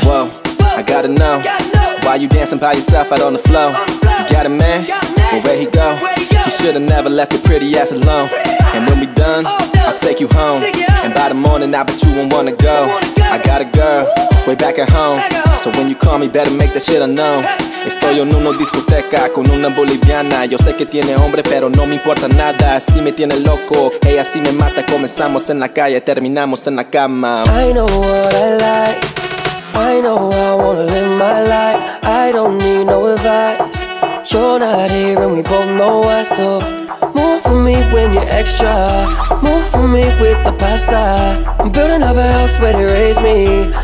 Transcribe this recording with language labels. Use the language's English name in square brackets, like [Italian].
[English] Whoa, I gotta know. Why you dancing by yourself out on the floor? You got a man? But where he go? Where he should've never left your pretty ass alone. And when we done, I'll take you home. And by the morning, I bet you won't wanna go. I got a girl, way back at home. So when you call me, better make that shit unknown. [Spanish] Estoy en una discoteca con una boliviana. Yo sé que tiene hombre, pero no me importa nada. Así me tiene loco, ella sí me mata. Comenzamos en la calle, terminamos en la cama. [English] I know what I like. I know I wanna live my life. I don't need no advice. You're not here and we both know why, so move for me when you're extra. Move for me with the pasta. I'm building up a house where they raise me.